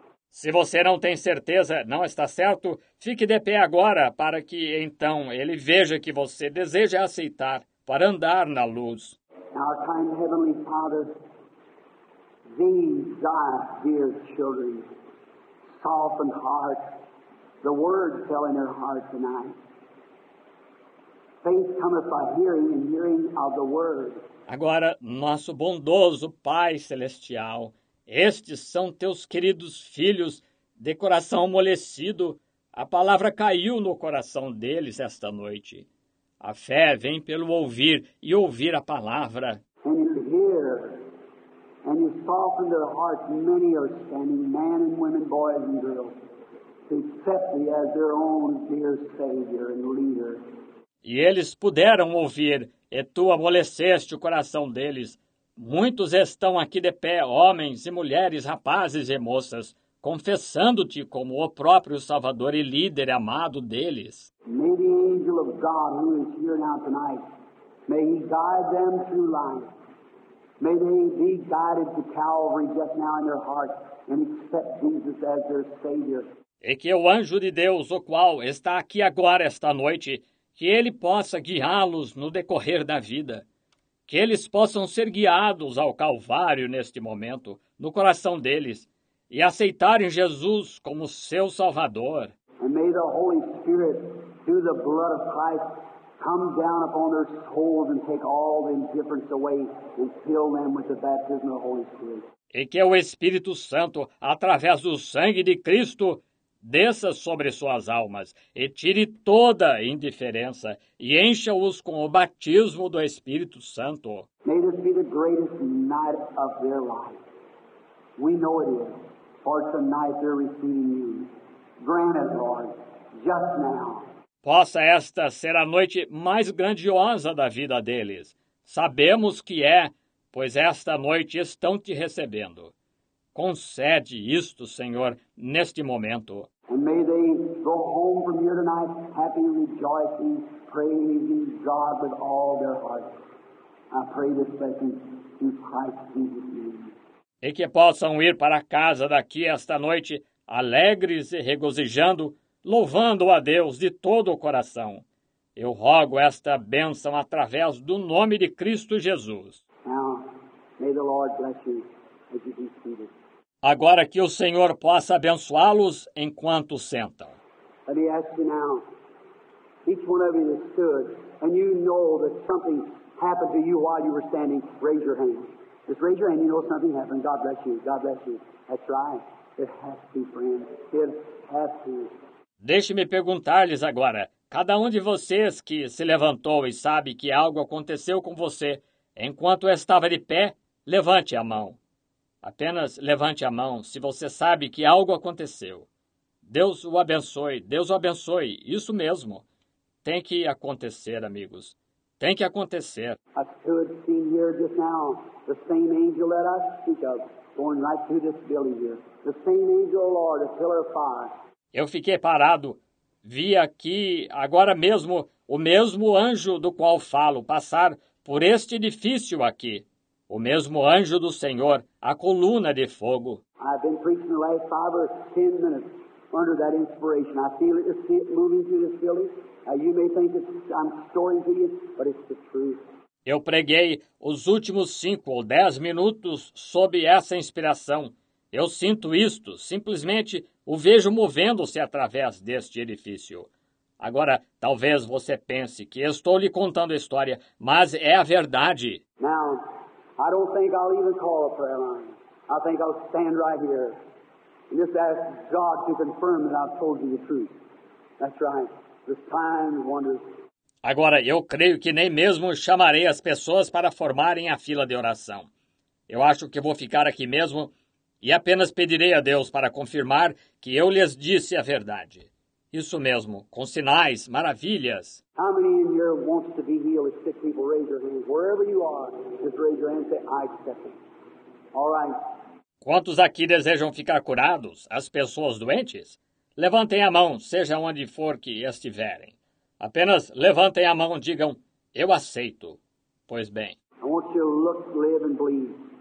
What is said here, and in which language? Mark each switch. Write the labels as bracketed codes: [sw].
[pt] Se você não tem certeza, não está certo, fique de pé agora para que, então, ele veja que você deseja aceitar para andar na luz. [en] Our kind Heavenly Father, these are dear children, softened hearts, the word fell in their heart tonight. Faith cometh by hearing, and hearing of the word. [pt] Agora, nosso bondoso Pai Celestial, estes são teus queridos filhos, de coração amolecido, a palavra caiu no coração deles esta noite. A fé vem pelo ouvir e ouvir a palavra. [en] And you hear, and you soften their hearts, many are standing, men and women, boys and girls, to accept thee as their own dear Savior and leader. [pt] E eles puderam ouvir, e tu amoleceste o coração deles. Muitos estão aqui de pé, homens e mulheres, rapazes e moças, confessando-te como o próprio Salvador e líder amado deles. [en] May the angel of God who is here now tonight, may he guide them through life. May they be guided to Calvary just now in their heart and accept Jesus as their Savior. [pt] E que o anjo de Deus, o qual está aqui agora esta noite, que ele possa guiá-los no decorrer da vida. Que eles possam ser guiados ao Calvário neste momento, no coração deles, e aceitarem Jesus como seu Salvador. E que o [en] Holy Spirit, through the blood of Christ, come down upon their souls and take all the indifference away and fill them with the baptism of the Holy Spirit. [pt] E que o Espírito Santo, através do sangue de Cristo, desça sobre suas almas e tire toda a indiferença e encha-os com o batismo do Espírito Santo. [en] May this be the greatest night of their life. We know it is, for tonight they're receiving you. Grant it, Lord, just now. [pt] Possa esta ser a noite mais grandiosa da vida deles. Sabemos que é, pois esta noite estão te recebendo. Concede isto, Senhor, neste momento. [en] And may they go home from here tonight, happy, rejoicing, praising God with all their hearts. I pray this blessing through Christ Jesus' name. [pt] E que possam ir para casa daqui esta noite, alegres e regozijando, louvando a Deus de todo o coração. Eu rogo esta bênção através do nome de Cristo Jesus. [en] Now, may the Lord bless you as you be seated. [pt] Agora que o Senhor possa abençoá-los enquanto sentam. [en] Let me ask you now, each one of you that stood, and you know that something happened to you while you were standing, raise your hand. Just raise your hand, you know something happened. God bless you, God bless you. That's right. It has to be, friend. It has to be. [pt] Deixe-me perguntar-lhes agora, cada um de vocês que se levantou e sabe que algo aconteceu com você enquanto estava de pé, levante a mão. Apenas levante a mão se você sabe que algo aconteceu. Deus o abençoe, Deus o abençoe, isso mesmo. Tem que acontecer, amigos. Tem que acontecer. [en] I stood seeing here just now, the same angel that I speak of, going right through this building here. The same angel, Lord, a pillar of fire. [pt] Eu fiquei parado, vi aqui, agora mesmo, o mesmo anjo do qual falo passar por este edifício aqui. O mesmo anjo do Senhor, a coluna de fogo. [en] I've been preaching the last 5 or 10 minutes under that inspiration. I feel it, just see it moving through this building. You may think I'm storing to you, but it's the truth. [pt] Eu preguei os últimos 5 ou 10 minutos sob essa inspiração. Eu sinto isto, simplesmente o vejo movendo-se através deste edifício. Agora, talvez você pense que estou lhe contando a história, mas é a verdade. [en] Now, I don't think I'll even call a prayer line. I think I'll stand right here and just ask God to confirm that I've told you the truth. That's right. The signs, wonders. [pt] Agora, eu creio que nem mesmo chamarei as pessoas para formarem a fila de oração. Eu acho que vou ficar aqui mesmo e apenas pedirei a Deus para confirmar que eu lhes disse a verdade. Isso mesmo, com sinais, maravilhas. [en] How many in here wants to be healed if sick people raise your hands? Wherever you are, just raise your hand and say, I accept it. All right. [pt] Quantos aqui desejam ficar curados? As pessoas doentes? Levantem a mão, seja onde for que estiverem. Apenas levantem a mão e digam, eu aceito. Pois bem. [en] I want you to look, live and believe.